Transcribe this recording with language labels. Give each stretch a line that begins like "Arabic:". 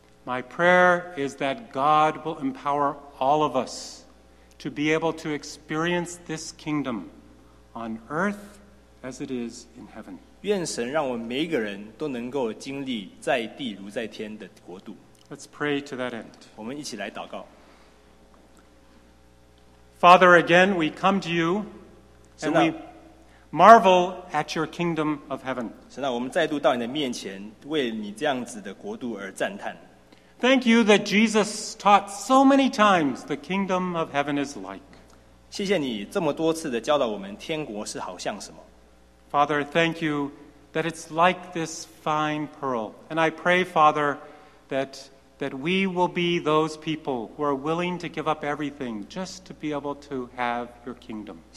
English: My prayer is that God will empower all of us to be able to experience this kingdom on earth as it is in heaven.
Chinese: 愿神让我们每一个人都能够经历在地如在天的国度。
English: Let's pray to that end.
Chinese: 我们一起来祷告。
English: Father, again, we come to you and we marvel at your kingdom of heaven.
Chinese: 神啊，我们再度到你的面前，为你这样子的国度而赞叹。
English: Thank you that Jesus taught so many times the kingdom of heaven is like.
Chinese: 谢谢你这么多次的教导我们天国是好像什么。
English: Father, thank you that it's like this fine pearl. And I pray, Father, that we will be those people who are willing to give up everything just to be able to have your kingdom.